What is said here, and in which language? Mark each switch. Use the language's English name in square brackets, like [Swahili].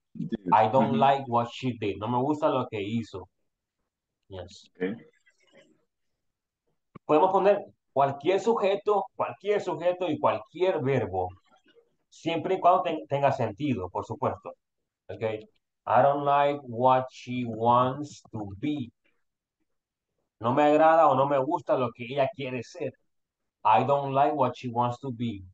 [English] Dude. I don't like what she did. [Spanish] No me gusta lo que hizo. [English] Yes. Okay. [Spanish] Podemos poner cualquier sujeto y cualquier verbo, siempre y cuando tenga sentido, por supuesto. Okay. [English] I don't like what she wants to be. [Spanish] No me agrada o no me gusta lo que ella quiere ser. [English] I don't like what she wants to be.